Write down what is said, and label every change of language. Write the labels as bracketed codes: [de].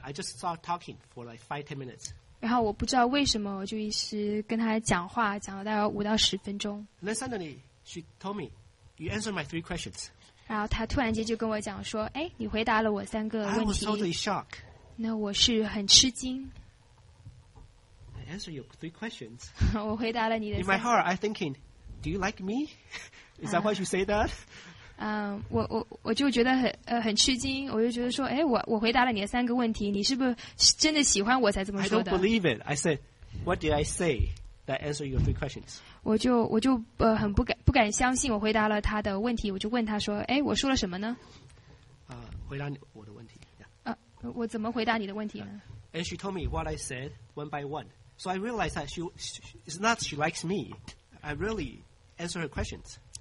[en] I just start talking for like 5-10 minutes. [zh] 然后我不知道为什么，我就一直跟她讲话，讲了大概5到10分钟。 [en] Then suddenly she told me, "You answered my 3 questions." [zh] 然后她突然间就跟我讲说，哎，你回答了我三个问题。 [en] I was totally shocked. [zh] 那我是很吃惊。 [en] I answered your 3 questions. [zh] 我回答了你的。 [en] In my heart, I thinking, "Do you like me? Is that why you say that?" [zh] 我就觉得很吃惊，我就觉得说，哎，我回答了你的三个问题，你是不是真的喜欢我才这么说的 [en] ？I don't believe it. I said, "What did I say that answered your 3 questions?" [zh] 我就很不敢相信，我回答了他的问题，我就问他说，哎，我说了什么呢？回答我的问题。我怎么回答你的问题呢？ [en] And she told me what I said one by one. So I realized that it's not she likes me. I really answer her questions.